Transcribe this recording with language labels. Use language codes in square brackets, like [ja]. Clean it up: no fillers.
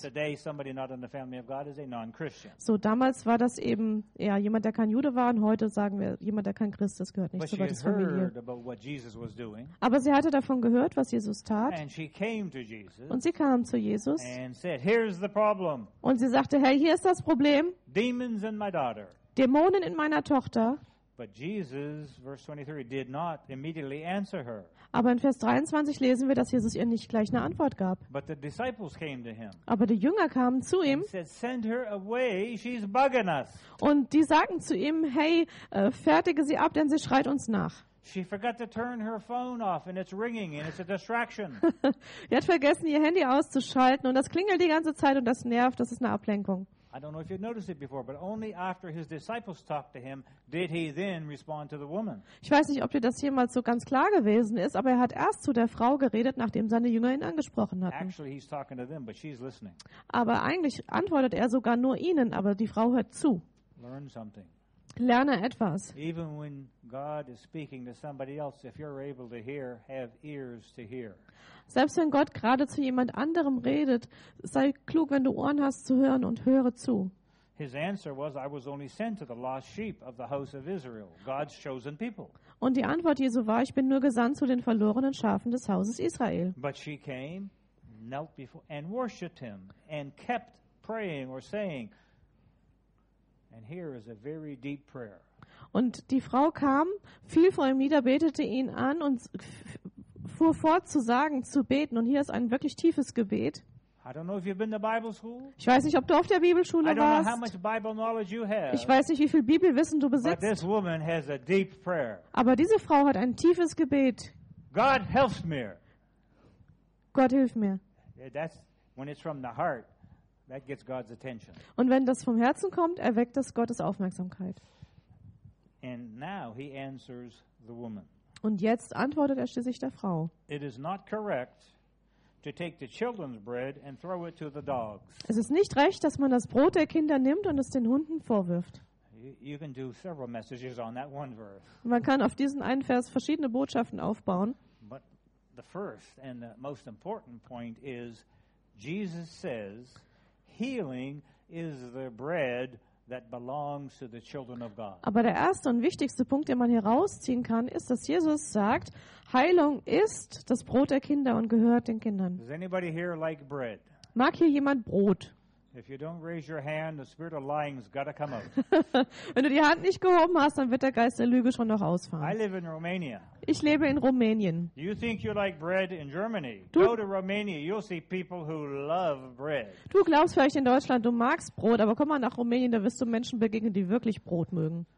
[en] Today somebody not in the family of God is a non-Christian. [de] So damals war das eben eher jemand, der kein Jude war, und heute sagen wir, jemand, der kein Christ ist, gehört nicht zur Gottes Familie. Aber sie hatte davon gehört, was Jesus tat. [en] And she came to Jesus, [de] und sie kam zu Jesus. [en] And said, here's the problem. [de] Und sie sagte, hey, hier ist das Problem. [en] Demons in my daughter. [de] Dämonen in meiner Tochter. [en] But Jesus, verse 23, did not immediately answer her. [de] Aber in Vers 23 lesen wir, dass Jesus ihr nicht gleich eine Antwort gab. [en] But the disciples came to him. [de] Aber die Jünger kamen zu ihm. [en] And said, send her away, she's bugging us. [de] Und die sagten zu ihm, hey, fertige sie ab, denn sie schreit uns nach. [en] She forgot to turn her phone off and it's ringing and it's a distraction. [de] Sie hat vergessen, ihr Handy auszuschalten und das klingelt die ganze Zeit und das nervt, das ist eine Ablenkung. [en] I don't know if you noticed it before, but only after his disciples talked to him did he then respond to the woman. [de] Ich weiß nicht, ob dir das jemals so ganz klar gewesen ist, aber er hat erst zu der Frau geredet, nachdem seine Jünger ihn angesprochen hatten. [en] Actually, he's talking to them, but she's listening. [de] Aber eigentlich antwortet er sogar nur ihnen, aber die Frau hört zu. [en] Learn something. [de] Lerne etwas. [en] Even when God is speaking to somebody else, if you're able to hear, have ears to hear. [de] Selbst wenn Gott gerade zu jemand anderem redet, sei klug, wenn du Ohren hast zu hören und höre zu. [en] His answer was, I was only sent to the lost sheep of the house of Israel, God's chosen people. [de] Und die Antwort Jesu war, ich bin nur gesandt zu den verlorenen Schafen des Hauses Israel. [en] But she came, knelt before and worshipped him and kept praying or saying. And here is a very deep prayer. [de] Und die Frau kam, fiel vor ihm nieder, betete ihn an und fuhr fort zu sagen, zu beten. Und hier ist ein wirklich tiefes Gebet. [en] I don't know if you've been to Bible school. [de] Ich weiß nicht, ob du auf der Bibelschule warst. [en] I don't know how much Bible knowledge you have. [de] Ich weiß nicht, wie viel Bibelwissen du besitzt. [en] But this woman has a deep prayer. [de] Aber diese Frau hat ein tiefes Gebet. [en] God help me. [de] Gott hilf mir. [en] That's when it's from the heart. That gets God's attention. [de] Und wenn das vom Herzen kommt, erweckt das Gottes Aufmerksamkeit. [en] And now he answers the woman. [de] Und jetzt antwortet er schließlich der Frau. [en] It is not correct to take the children's bread and throw it to the dogs. [de] Es ist nicht recht, dass man das Brot der Kinder nimmt und es den Hunden vorwirft. [en] You can do several messages on that one verse. [de] Man kann auf diesen einen Vers verschiedene Botschaften aufbauen. [en] But the first and the most important point is Jesus says healing is the bread that belongs to the children of God. [de] Aber der erste und wichtigste Punkt, den man hier rausziehen kann, ist, dass Jesus sagt, Heilung ist das Brot der Kinder und gehört den Kindern. [en] Does anybody here like bread? [de] Mag hier jemand Brot? [en] If you don't raise your hand, the spirit of lying's got to come out. [de] Wenn du die Hand nicht gehoben hast, dann wird der Geist der Lüge schon noch ausfahren. [en] I live in Romania. [de] Ich lebe in Rumänien. [en] You think you like bread in Germany? Go to Romania, you'll see people who love bread. [de] Du glaubst vielleicht in Deutschland, du magst Brot, aber komm mal nach Rumänien, da wirst du Menschen begegnen, die wirklich Brot mögen.